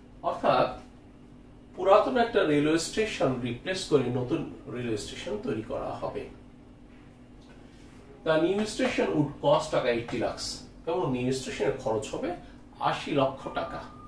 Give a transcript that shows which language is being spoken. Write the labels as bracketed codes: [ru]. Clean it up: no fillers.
[bn] অর্থাৎ পুরাতন একটা রেলওয়ে স্টেশন রিপ্লেস করে নতুন রেলওয়ে স্টেশন তৈরি করা হবে। [en] The new station would cost taka 80 lakhs. [bn] কেমন নিউ স্টেশনের খরচ হবে 80 লক্ষ টাকা।